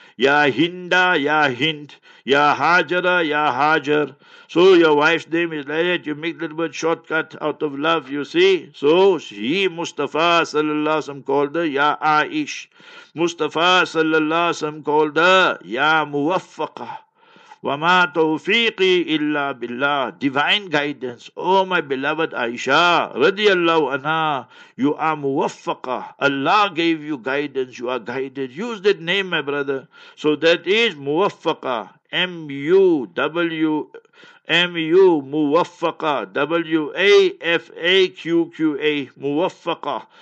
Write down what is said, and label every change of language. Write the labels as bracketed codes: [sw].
[en] Ya Hinda, Ya Hind. Ya Hajara, Ya Hajar. So your wife's name is like that. You make a little bit shortcut out of love, you see. So he, Mustafa sallallahu alaihi wasallam, called her Ya Aish. Mustafa sallallahu alaihi wasallam called her Ya Muwaffaqah. [ar] وَمَا تَوْفِيقِ إِلَّا بِاللَّهِ [en] Divine guidance. Oh, my beloved Aisha, radiallahu anha, you are muwaffaqa. Allah gave you guidance, you are guided. Use that name, my brother. So that is muwaffaqa. M-U-W MU Muwafaqa, WAFAQQA Muwafaqa.